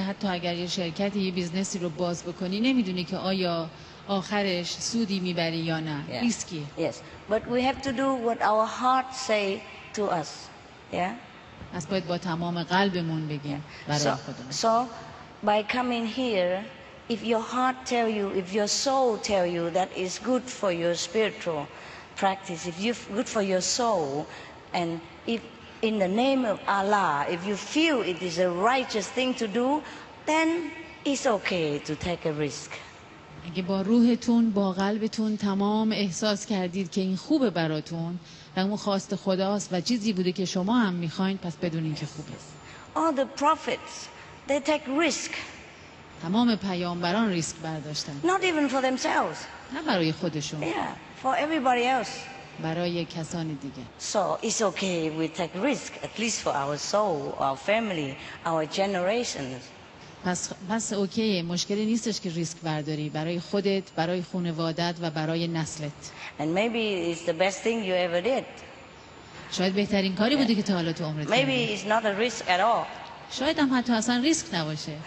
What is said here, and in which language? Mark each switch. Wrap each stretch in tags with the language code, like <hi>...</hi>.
<fa>حتی اگر یه شرکتی یه بیزنسی رو باز بکنی، نمیدونی که آیا آخرش سودی میبری یا نه.</fa> <en>Yeah. Risky. Yes. But we have to do what our heart say to us. Yeah?</en> <fa>پس باید با تمام قلبمون بگیم برای خودمون.</fa> <en>So by coming here, if your heart tell you, if your soul tell you that is good for your spiritual practice, if you good for your soul, and if in the name of Allah, if you feel it is a righteous thing to do, then it's okay to take a risk.</en> <fa>اگه با روحتون با قلبتون تمام احساس کردید که این خوبه براتون و اون خواست خداست و چیزی بوده که شما هم میخواین، پس بدونین که خوبه.</fa> <en>All the prophets, they take risk.</en> <fa>تمام پیامبران ریسک برداشتن.</fa> <en>Not even for themselves.</en> <fa>نه برای خودشون.</fa> <en>Yeah. For everybody else.</en> <fa>برای کسانی دیگه.</fa> <en>So it's okay if we take risk, at least for our soul, our family, our generations.</en> <fa>پس اوکیه، مشکلی نیستش که ریسک برداری برای خودت، برای خانوادت و برای نسلت.</fa> <en>And maybe it's the best thing you ever did.</en> <fa>شاید بهترین کاری بوده که تا حالا تو عمرت کردی.</fa> <en>Maybe it's not a risk at all.</en> <fa>شاید هم حتی اصلا ریسک نباشه.</fa>